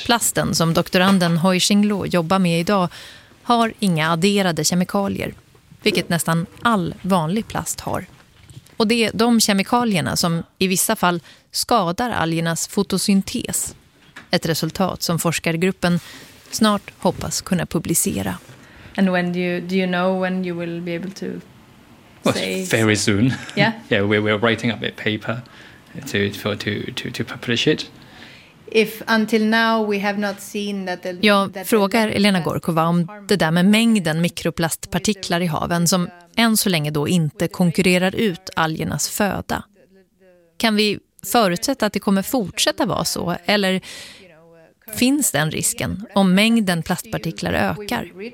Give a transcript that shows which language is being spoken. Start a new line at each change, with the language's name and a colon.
Swedish: Plasten som doktoranden Hoi Xing Lo jobbar med idag har inga adderade kemikalier, vilket nästan all vanlig plast har. Och det är de kemikalierna som i vissa fall skadar algernas fotosyntes. Ett resultat som forskargruppen snart hoppas kunna publicera.
English: And when do you know when you will be able to say? Well, very soon. Yeah. Yeah, we're writing up a paper to publish it. If until now we have not seen that the
Swedish: Jag frågar Elena Gorkova om det där med mängden mikroplastpartiklar i haven som än så länge då inte konkurrerar ut algernas föda. Kan vi förutsätta att det kommer fortsätta vara så, eller finns den risken om mängden plastpartiklar ökar?